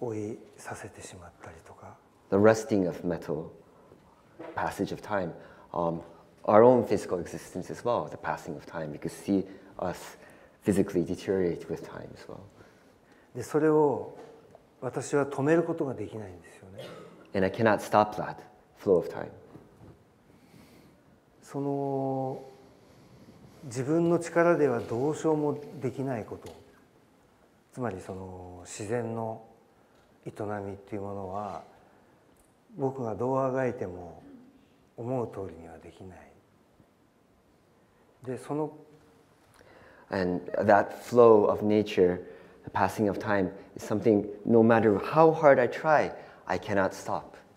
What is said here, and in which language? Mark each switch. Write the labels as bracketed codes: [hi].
[ja] 鉄が錆びたりとか私たちが老いさせてしまったりとか。 [en] The rusting of metal, passage of time, our own physical existence as well. The passing of time, you could see us physically deteriorate with time as well. [ja] でそれを 私は止めることができないんですよね。 [en] And I cannot stop that flow of time. [ja] その 自分の力ではどうしようもできないこと。つまりその自然の営みっていうものは 僕がどうあがいても思う通りにはできない。で、その [en] And that flow of nature, the passing of time, is something no matter how hard I try, I cannot stop.